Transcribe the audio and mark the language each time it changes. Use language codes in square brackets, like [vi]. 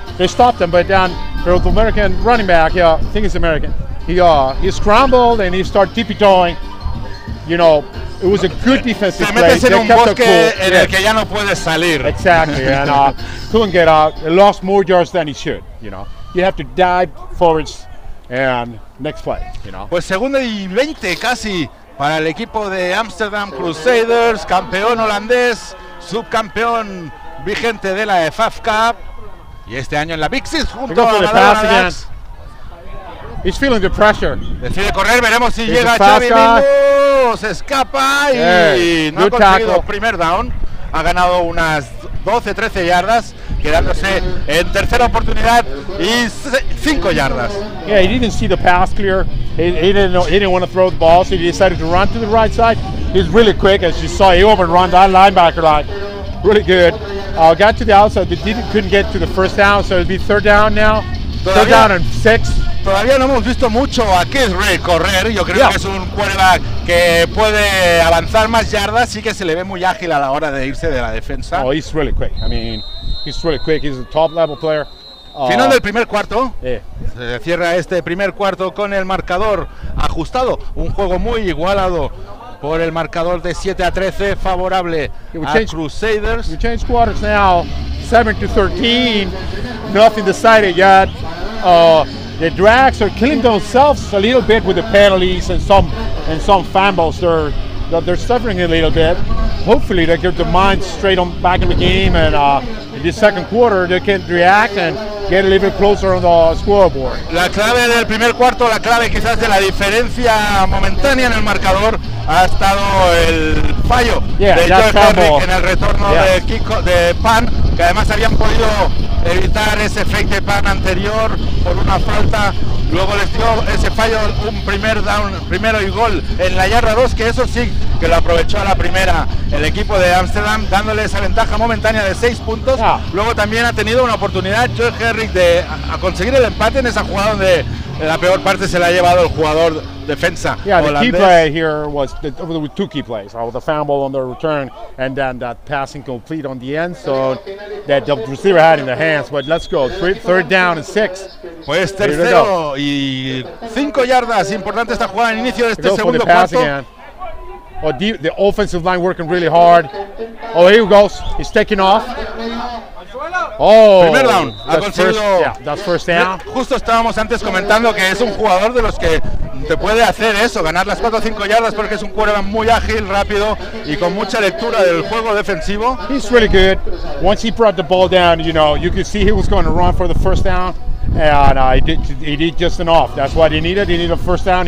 [en] They stopped him, but then the American running back, yeah, I think it's American, he scrambled and he started tippy-toeing. You know, it was a good defensive play. [es] Se metes en un bosque en el que ya no puedes salir. [en] Exactly, and couldn't get out. He lost more yards than he should, you know. You have to dive forwards and next play, you know. [es] Pues segunda y 20 casi. Para el equipo de Amsterdam Crusaders, campeón holandés, subcampeón vigente de la FAF Cup. Y este año en la Big Six junto a Badalona. [en] He's feeling the pressure. [es] Decide correr, veremos si llega Xavi Mingo. Se escapa y no ha conseguido primer down. Ha ganado unas 12-13 yardas, quedándose en tercera oportunidad y 5 yardas. [en] Yeah, he didn't see the pass clear. He didn't want to throw the ball, so he decided to run to the right side. He's really quick, as you saw. He overrun that linebacker line. really good. Got to the outside, but couldn't get to the first down, so it'll be third down now. Third down and six. Todavía no hemos visto mucho a Kenneth Reed correr. Yo creo que es un quarterback que puede avanzar más yardas. Sí que se le ve muy ágil a la hora de irse de la defensa. Oh, he's really quick. I mean, he's really quick. He's a top level player. [es] Final del primer cuarto. Se cierra este primer cuarto con el marcador ajustado. Un juego muy igualado por el marcador de 7 a 13 favorable a Crusaders. [en] We change quarters now. 7-13. Nothing decided yet. The Drags are killing themselves a little bit with the penalties and some fumbles. They're suffering a little bit. Hopefully they get their minds straight on back in the game, and in the second quarter they can react and get a little bit closer on the scoreboard. [es] La clave del primer cuarto, la clave quizás de la diferencia momentánea en el marcador, ha estado el fallo de Josh Henrich en el retorno de kick de Pan, que además habían podido evitar ese fake de Pan anterior por una falta. Luego les dio ese fallo, un primer down, primero y gol en la yarda 2, que eso sí que lo aprovechó a la primera el equipo de Amsterdam, dándole esa ventaja momentánea de 6 puntos. Luego también ha tenido una oportunidad Joe Herrick de a conseguir el empate en esa jugada donde la peor parte se la ha llevado el jugador defensa holandés. [en] The key play here was with two key plays, the fumble on the return and then that passing complete on the end zone that the receiver had in the hands. But let's go, third down and 6. [es] Pues tercero y 5 yardas, importante esta jugada en el inicio de este segundo cuarto. [en] The offensive line working really hard. Oh, here he goes, he's taking off. [es] Oh, primer down, ha conseguido. [en] That's first down. [es] Justo estábamos antes comentando que es un jugador de los que te puede hacer eso, ganar las 4 o 5 yardas, porque es un quarterback muy ágil, rápido y con mucha lectura del juego defensivo. [en] He's really good. Once he brought the ball down, you know, you could see he was going to run for the first down, and he did just enough. That's what he needed. He needed a first down.